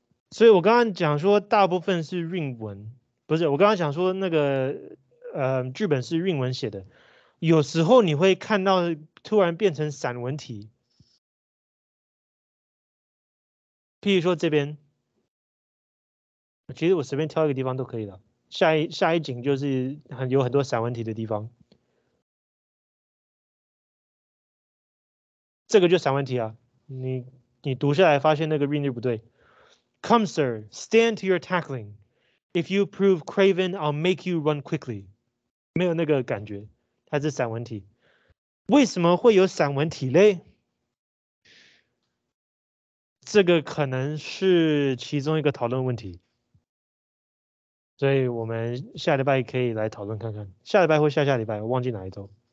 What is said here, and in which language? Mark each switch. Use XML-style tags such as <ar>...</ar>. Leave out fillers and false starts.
<zh>所以我刚刚讲说大部分是韵文，不是，我刚刚讲说那个剧本是韵文写的，有时候你会看到突然变成散文体，譬如说这边，其实我随便挑一个地方都可以了，下一景就是有很多散文体的地方，这个就散文体啊，你读下来发现那个韵律不对。</zh> <en>Come, sir, stand to your tackling. If you prove craven, I'll make you run quickly.</en> <zh>没有那个感觉，它是散文体。为什么会有散文体嘞？这个可能是其中一个讨论问题。所以我们下礼拜可以来讨论看看，下礼拜或下下礼拜，我忘记哪一周。</zh>